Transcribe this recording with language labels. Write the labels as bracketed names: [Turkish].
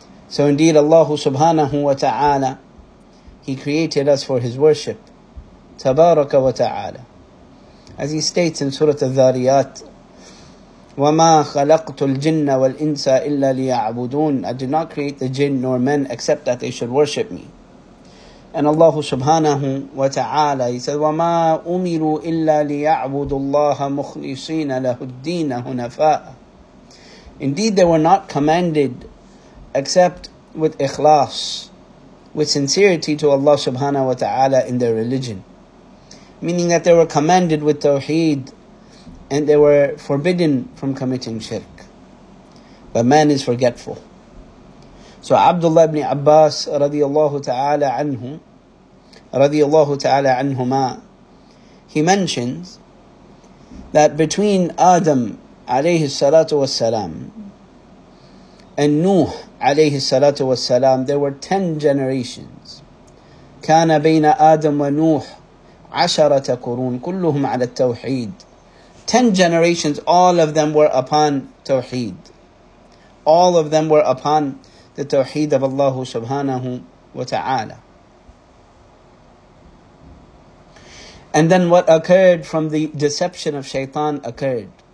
[English] So indeed, Allah subhanahu wa ta'ala, He created us for His worship. Tabaraka wa ta'ala. As He states in Surah Al-Dhariyat, [Arabic] وَمَا خَلَقْتُ الْجِنَّ وَالْإِنسَ إِلَّا لِيَعْبُدُونَ. [English] I did not create the jinn nor men except that they should worship me. And Allah subhanahu wa ta'ala, he said, [Arabic] وَمَا أُمِرُوا إِلَّا لِيَعْبُدُ اللَّهَ مُخْلِصِينَ لَهُ الدِّينَ هُنَفَاءَ. [English] Indeed, they were not commanded except with ikhlas, with sincerity to Allah subhanahu wa ta'ala in their religion. Meaning that they were commanded with tawheed and they were forbidden from committing shirk. But man is forgetful. So Abdullah ibn Abbas radiallahu ta'ala anhu, radiallahu ta'ala anhuma, he mentions that between Adam alayhi salatu wassalam and Nuh alayhi salatu wassalam, there were 10 generations. [Arabic] كان بين آدم ونوح عشرة قرون كلهم على التوحيد. [English] 10 generations, all of them were upon tawheed. All of them were upon the tawheed of Allah subhanahu wa ta'ala. And then what occurred from the deception of shaitan occurred.